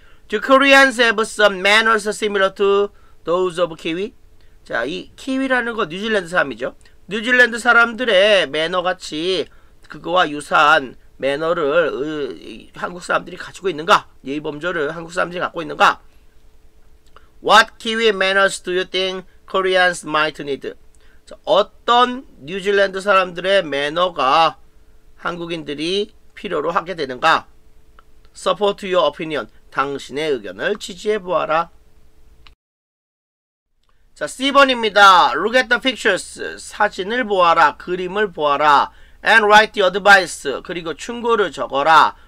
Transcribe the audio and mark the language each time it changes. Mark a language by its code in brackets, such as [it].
[en] Do Koreans have some manners similar to those of Kiwi? [ko] 자, 이 Kiwi라는 거 뉴질랜드 사람이죠. 뉴질랜드 사람들의 매너 같이 그거와 유사한 매너를 한국 사람들이 가지고 있는가? 예의범절을 한국 사람들이 갖고 있는가? [en] What Kiwi manners do you think Koreans might need? [ko] 자, 어떤 뉴질랜드 사람들의 매너가 한국인들이 필요로 하게 되는가? [en] Support your opinion. [ko] 당신의 의견을 지지해보아라. 자, C번입니다. [en] Look at the pictures. [ko] 사진을 보아라. 그림을 보아라. [en] And write the advice. [ko] 그리고 충고를 적어라.